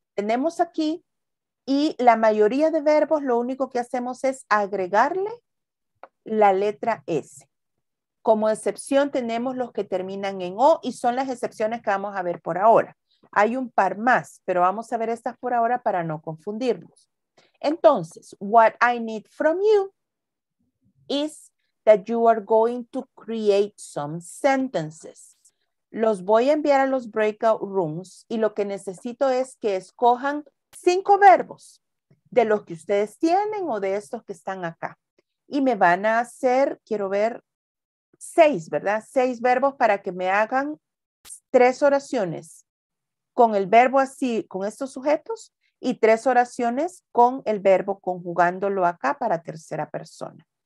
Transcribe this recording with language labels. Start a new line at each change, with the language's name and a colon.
Spanish: Tenemos aquí y la mayoría de verbos lo único que hacemos es agregarle la letra S. Como excepción tenemos los que terminan en O y son las excepciones que vamos a ver por ahora. Hay un par más, pero vamos a ver estas por ahora para no confundirnos. Entonces,
English: what I need from you is that you are going to create some sentences.
Spanish: Los voy a enviar a los breakout rooms y lo que necesito es que escojan 5 verbos de los que ustedes tienen o de estos que están acá. Y me van a hacer, quiero ver, 6, ¿verdad? 6 verbos para que me hagan 3 oraciones con el verbo así, con estos sujetos, y 3 oraciones con el verbo conjugándolo acá para tercera persona.